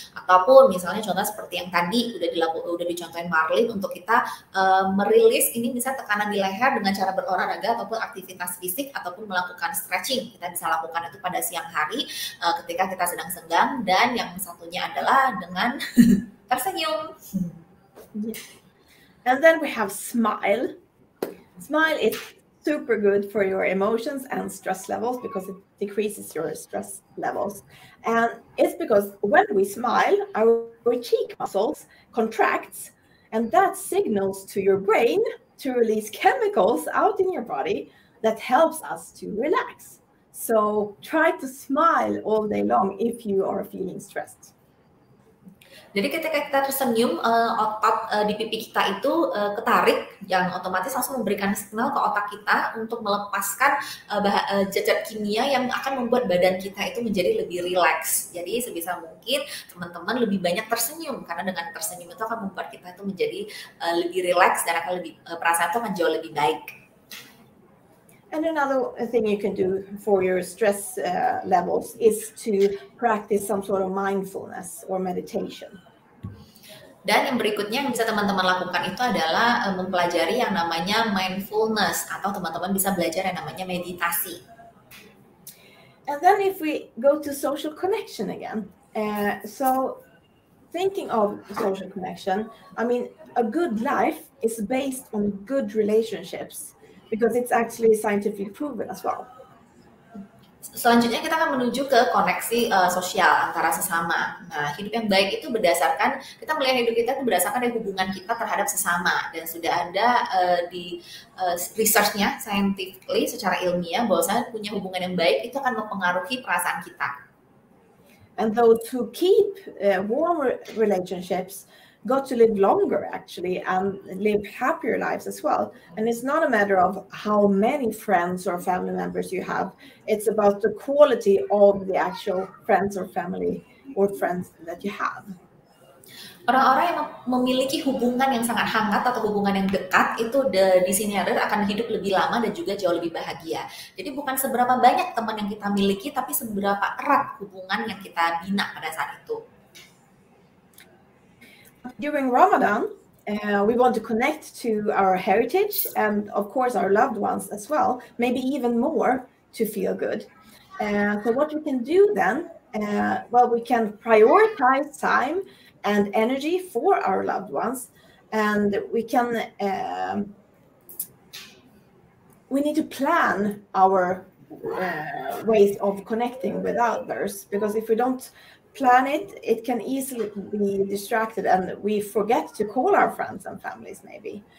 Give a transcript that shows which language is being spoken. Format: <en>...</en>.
<id>Ataupun misalnya contoh seperti yang tadi udah dicontohin Marlin, untuk kita merilis ini bisa tekanan di leher dengan cara berolahraga ataupun aktivitas fisik ataupun melakukan stretching. Kita bisa lakukan itu pada siang hari ketika kita sedang senggang, dan yang satunya adalah dengan tersenyum.</id> <en>And then we have smile. Smile is super good for your emotions and stress levels because it decreases your stress levels. And it's because when we smile, our cheek muscles contracts, and that signals to your brain to release chemicals out in your body that helps us to relax. So try to smile all day long if you are feeling stressed.</en> <id>Jadi ketika kita tersenyum, otot di pipi kita itu ketarik, yang otomatis langsung memberikan signal ke otak kita untuk melepaskan zat kimia yang akan membuat badan kita itu menjadi lebih relax. Jadi sebisa mungkin teman-teman lebih banyak tersenyum, karena dengan tersenyum itu akan membuat kita itu menjadi lebih relax dan akan lebih perasaan itu akan jauh lebih baik.</id> <en>And another thing you can do for your stress levels is to practice some sort of mindfulness or meditation.</en> <id>Dan yang berikutnya yang bisa teman-teman lakukan itu adalah mempelajari yang namanya mindfulness, atau teman-teman bisa belajar yang namanya meditasi.</id> <en>And then if we go to social connection again, so thinking of social connection, I mean, a good life is based on good relationships, because it's actually scientifically proven as well.</en> <id>Selanjutnya kita akan menuju ke koneksi sosial antara sesama. Nah, hidup yang baik itu berdasarkan, kita melihat hidup kita itu berdasarkan dari hubungan kita terhadap sesama. Dan sudah ada di research-nya, scientifically, secara ilmiah, bahwasanya punya hubungan yang baik itu akan mempengaruhi perasaan kita.</id> <en>And though to keep warm relationships, got to live longer actually and live happier lives as well. And it's not a matter of how many friends or family members you have, it's about the quality of the actual friends or family or friends that you have.</en> <id>Orang-orang yang memiliki hubungan yang sangat hangat atau hubungan yang dekat itu di sini ada akan hidup lebih lama dan juga jauh lebih bahagia. Jadi bukan seberapa banyak teman yang kita miliki, tapi seberapa erat hubungan yang kita bina pada saat itu.</id> <en>During Ramadan, we want to connect to our heritage and, of course, our loved ones as well, maybe even more to feel good. So what we can do then, well, we can prioritize time and energy for our loved ones, and we can we need to plan our ways of connecting with others, because if we don't plan it, it can easily be distracted and we forget to call our friends and families maybe.</en>